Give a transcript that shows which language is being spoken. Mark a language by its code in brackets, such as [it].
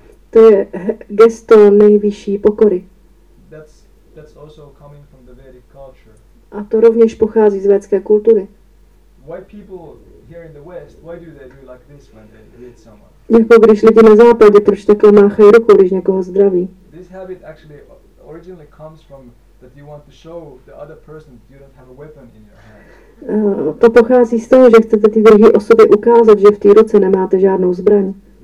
[cs] To je gesto nejvyšší pokory. [en] That's also coming from the Vedic culture. [cs] A to rovněž pochází z védské kultury. [en] why people here in the West, why do they do like this when they greet someone? [cs] Jako když lidi na západě proč takhle máchají rukou, když někoho zdraví. [en] This habit actually originally comes from that you want to show the other person you don't have a weapon in your hand. [cs] To pochází z toho, že chcete ty druhé osoby ukázat, že v té ruce nemáte žádnou zbraň.